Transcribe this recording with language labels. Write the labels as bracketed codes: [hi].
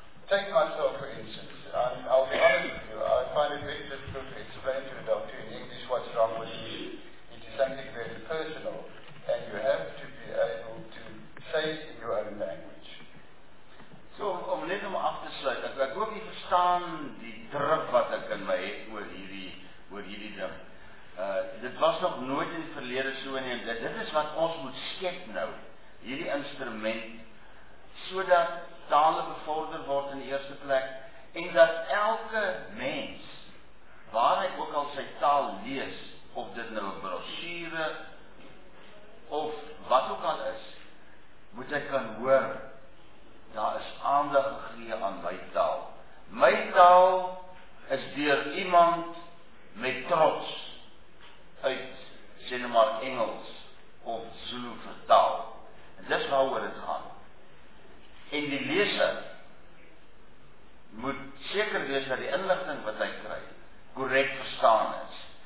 [en] take myself for instance, and I'll be honest with you, I find it very difficult to explain to a doctor in English what's wrong with me. It is something very personal, and you have to be able to say it in your own language. [af] So, om net om af te sluit, dat ek ook nie verstaan die druk wat ek in my het oor hierdie ding. Dit was nog nooit in die verlede so nie, en dit is wat ons moet skep nou, hierdie instrument, sodat tale bevorder word in die eerste plek, en dat elke mens, waar hy ook al sy taal lees, of dit nou een brochure, of wat ook al is, moet hy kan hoor, daar is aandag gegee aan my taal. My taal is deur iemand met trots, uit, sê nou maar Engels, of Zulu vertaal. En dis waar oor het gaan. En die leser moet seker wees dat die inligting wat hy kry korrek verstaan is.